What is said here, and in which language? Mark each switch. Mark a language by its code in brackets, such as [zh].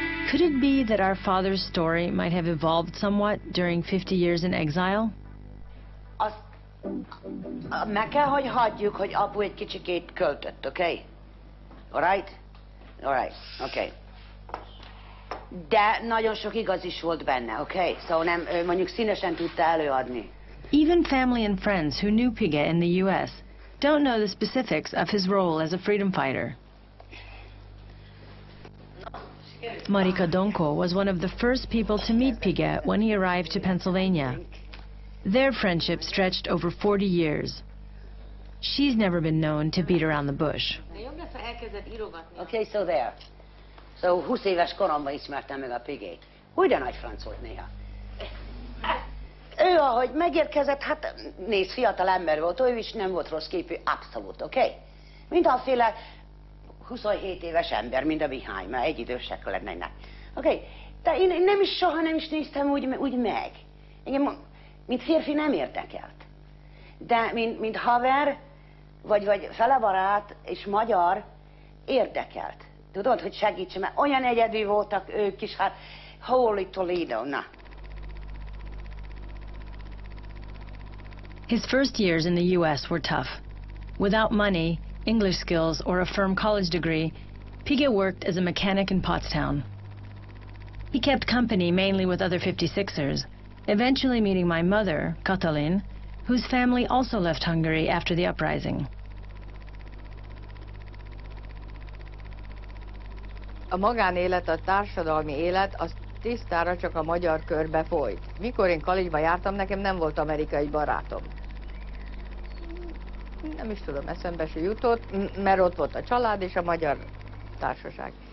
[en] Could it be that our father's story might have evolved somewhat during 50 years in exile? [hu] Meg kell, hogy hagyjuk, hogy apu egy kicsikét költött, oké? [en] Okay? Alright? Alright, oké. Okay. [hu] De nagyon sok igaz is volt benne, oké? Okay? Szóval nem, mondjuk színesen tudta előadni. [en] Even family and friends who knew Pige in the U.S. don't know the specifics of his role as a freedom fighter. Marika Donko was one of the first people to meet Pige when he arrived to Pennsylvania. Their friendship stretched over 40 years. She's never been known to beat around the bush. Okay, so there. [hu] So 20 éves koromban ismertem meg a Pigét. Hogy de nagy franc volt néha. Ő, ahogy megérkezett, hát nézd, fiatal ember volt, ő is nem volt rossz képű, abszolút, okay? Mint a féle 27 éves ember, mint a Mihály, mert egy idősek lennének. Okay? De én nem is soha nem is néztem úgy meg. Igen, mint férfi nem érdekelt. De mint haver, vagy fele barát és magyar érdekelt. Tudod, hogy segítsen, mert olyan egyedi voltak ők is, hát [en] holy Toledo, [hu] na. [en] His first years in the U.S. were tough. Without money, English skills, or a firm college degree, Pige worked as a mechanic in Pottstown. He kept company mainly with other 56ers, eventually meeting my mother, Katalin, whose family also left Hungary after the uprising. [hu] A magánélet, a társadalmi élet, az tisztára csak a magyar körbe folyt. Mikor én college-ba jártam, nekem nem volt amerikai barátom. Nem is tudom, eszembe se jutott, mert ott volt a család és a magyar társaság.